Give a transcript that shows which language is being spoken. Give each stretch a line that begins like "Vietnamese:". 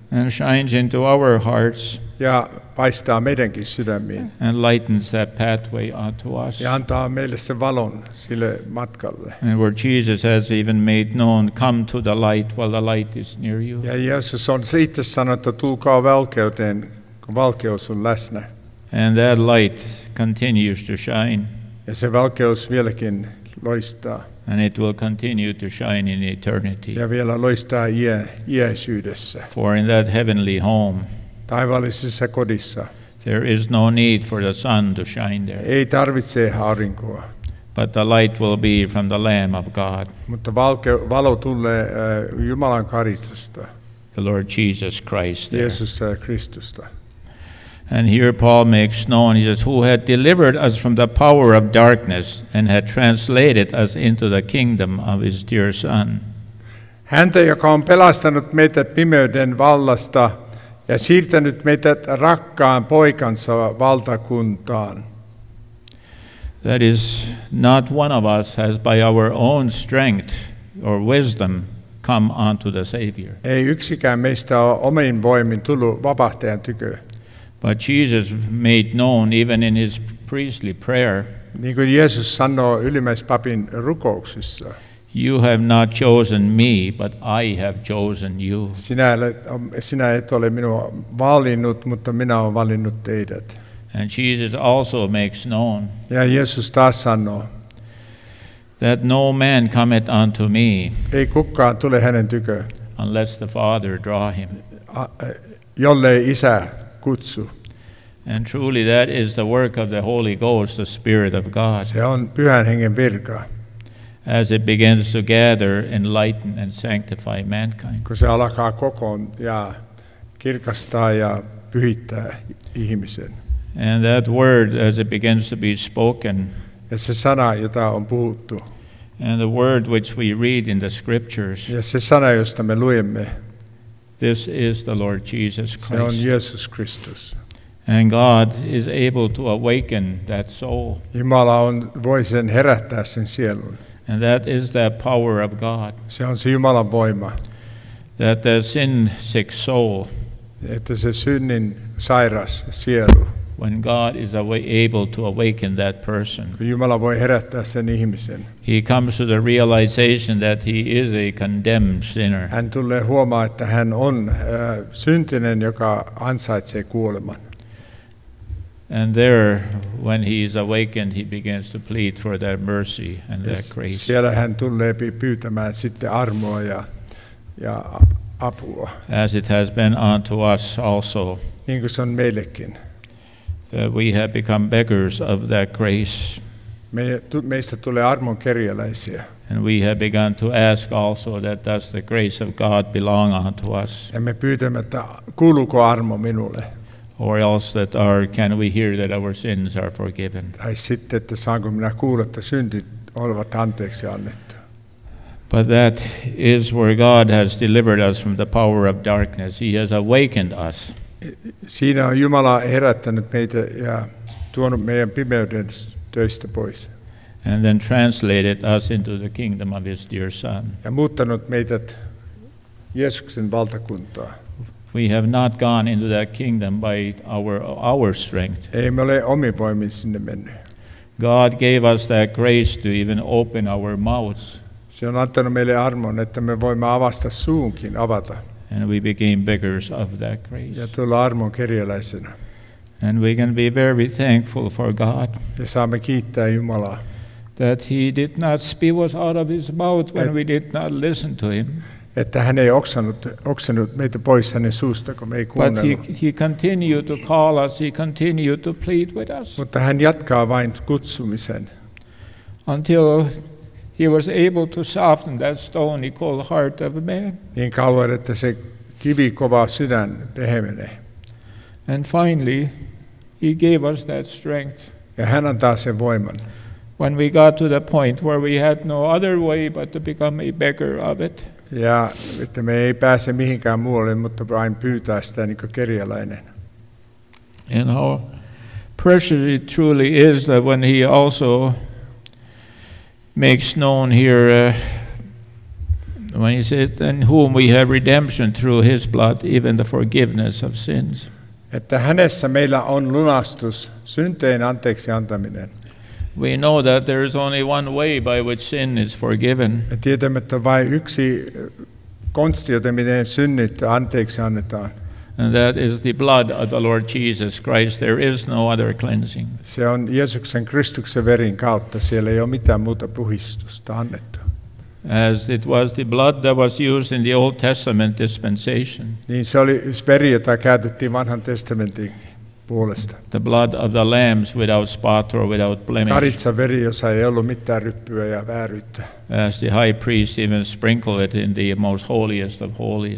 English: And shines into our hearts.
Finnish: Ja paistaa meidänkin sydämiin.
English: And lightens that pathway unto us.
Finnish: Ja antaa meille sen valon sille matkalle.
English: And where Jesus has even made known, come to the light while the light is near you.
Finnish: Ja Jeesus on itse sanonut, että tulkaa valkeuteen, kun valkeus on läsnä.
English: And that light continues to shine.
Finnish: Ja se valkeus vieläkin loistaa.
English: And it will continue to shine in eternity.
Finnish: Ja vielä loistaa iäisyydessä.
English: For in that heavenly home.
Finnish: Taivaallisessa kodissa.
English: There is no need for the sun to shine there.
Finnish: Ei tarvitse aurinkoa.
English: But the light will be from the Lamb of God.
Finnish: Mutta valo tulee Jumalan karitsasta.
English: The Lord Jesus Christ there.
Finnish: Jeesus Kristusta.
English: And here Paul makes known, he says, who had delivered us from the power of darkness and had translated us into the kingdom of his dear Son.
Finnish: Häntä, joka on pelastanut meitä pimeyden vallasta ja siirtänyt meitä rakkaan poikansa valtakuntaan.
English: That is, not one of us has by our own strength or wisdom come unto the Savior.
Finnish: Ei yksikään meistä ole omiin voimin tullut vapahtajan tykö.
English: But Jesus made known even in his priestly prayer.
Finnish: Niin kuin Jeesus sanoo ylimmäispapin rukouksissa.
English: You have not chosen me, but I have chosen you.
Finnish: Sinä et ole minua valinnut, mutta minä olen valinnut teidät.
English: And Jesus also makes known.
Finnish: Ja Jeesus taas sanoo.
English: That no man cometh unto me.
Finnish: Ei kukaan tule hänen tykö.
English: Unless the Father draw him.
Finnish: Jollei isä kutsu.
English: And truly that is the work of the Holy Ghost, the Spirit of God.
Finnish: Se on Pyhän Hengen virka.
English: As it begins to gather, enlighten and sanctify mankind.
Finnish: Kun se alkaa kokoon ja kirkastaa ja pyhittää ihmisen.
English: And that word as it begins to be spoken.
Finnish: Ja se sana, jota on puhuttu.
English: And the word which we read in the scriptures.
Finnish: Ja se sana, josta me luemme.
English: This is the Lord Jesus Christ.
Finnish: Se on Jeesus Kristus.
English: And God is able to awaken that soul.
Finnish: Jumala on voi sen herättää sen sielun.
English: And that is that power of God.
Finnish: Se on se Jumalan voima.
English: That the sin-sick soul.
Finnish: Että se synnin sairas sielu.
English: When God is able to awaken that person.
Finnish: Kun Jumala voi herättää sen ihmisen.
English: He comes to the realization that he is a condemned sinner.
Finnish: Hän tulee huomaa, että hän on syntinen, joka ansaitsee kuoleman.
English: And there, when he is awakened, he begins to plead for that mercy and that grace.
Finnish: Siellä hän tulee pyytämään sitten armoa ja apua.
English: As it has been unto us also.
Finnish: Niin kuin se on meillekin.
English: That we have become beggars of that grace.
Finnish: Meistä tulee armon kerjäläisiä.
English: And we have begun to ask also that does the grace of God belong unto us.
Finnish: Ja me pyytämme, että kuuluuko armo minulle.
English: Or else that our, can we hear that our sins are forgiven.
Finnish: Tai sitten, että saanko minä kuulla, että syntit olivat anteeksi annettu.
English: But that is where God has delivered us from the power of darkness. He has awakened us.
Finnish: Siinä on Jumala herättänyt meitä ja tuonut meidän pimeyden töistä pois.
English: And then translated us into the kingdom of his dear Son.
Finnish: Ja muuttanut meidät Jeesuksen valtakuntaa.
English: We have not gone into that kingdom by our strength.
Finnish: Ei me ole omin voimin sinne mennyt.
English: God gave us that grace to even open our mouths.
Finnish: Se on antanut meille armon, että me voimme avata suunkin.
English: And we became beggars of that grace.
Finnish: Ja tulla armon kerjäläisenä.
English: And we can be very thankful for God.
Finnish: Ja saamme kiittää Jumalaa.
English: That he did not spew us out of his mouth when we did not listen to him.
Finnish: Että hän ei oksennut meitä pois hänen suusta, kun me ei kuunnellut.
English: But he continued to call us, he continued to plead with us.
Finnish: Mutta hän jatkaa vain kutsumisen.
English: Until he was able to soften that stony cold heart of a man.
Finnish: Niin kauan, että se kivi kova sydän pehmenee.
English: And finally, he gave us that strength.
Finnish: Ja hän antaa sen voiman.
English: When we got to the point where we had no other way but to become a beggar of it.
Finnish: Ja että me ei pääse mihinkään muualle, mutta vain pyytää sitä niin kuin kerjäläinen.
English: And how precious it truly is that when he also makes known here, when he says, in whom we have redemption through his blood, even the forgiveness of sins.
Finnish: Että hänessä meillä on lunastus, synteen anteeksi antaminen.
English: We know that there is only one way by which sin is forgiven.
Finnish: Me tiedämme, että vain yksi konsti, jota miten synnit anteeksi annetaan.
English: And that is the blood of the Lord Jesus Christ. There is no other cleansing.
Finnish: Se on Jeesuksen Kristuksen verin kautta. Siellä ei ole mitään muuta puhdistusta annettu.
English: As it was the blood that was used in the Old Testament dispensation.
Finnish: Niin se oli veri, jota käytettiin Vanhan testamentin.
English: The blood of the lambs without spot or without blemish.
Finnish: Karitsa veri, jossa ei ollut mitään ryppyä ja vääryyttä.
English: As the high priest even sprinkled it in the most holiest of holies.